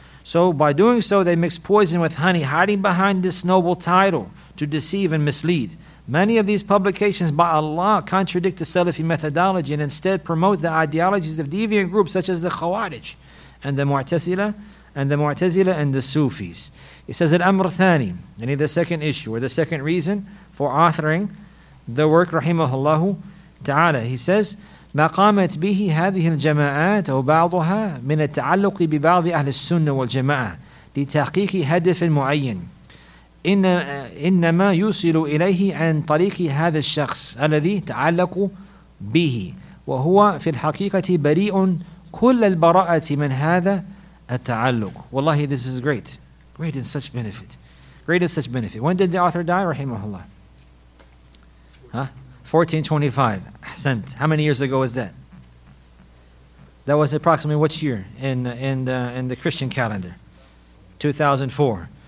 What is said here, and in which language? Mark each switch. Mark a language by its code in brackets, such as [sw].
[en] So by doing so, they mix poison with honey, hiding behind this noble title to deceive and mislead. Many of these publications by Allah contradict the Salafi methodology and instead promote the ideologies of deviant groups such as the Khawarij and the Mu'tazila and the Sufis. It says, Al-Amr Thani, any of the second issue or the second reason for authoring the work, rahimahullah ta'ala, he says, [ar] ما قامت به هذه الجماعات أو بعضها من التعلق ببعض أهل السنة والجماعة لتحقيق هدف معين إنما يوصل إليه عن طريق هذا الشخص الذي تعلق به وهو في الحقيقة بريء كل البراءة من هذا التعلق. [en] والله, this is great. Great in such benefit. Great in such benefit. When did the author die? Rahimahullah. Huh? 1425, Ahsant. How many years ago was that? That was approximately which year in the Christian calendar? 2004.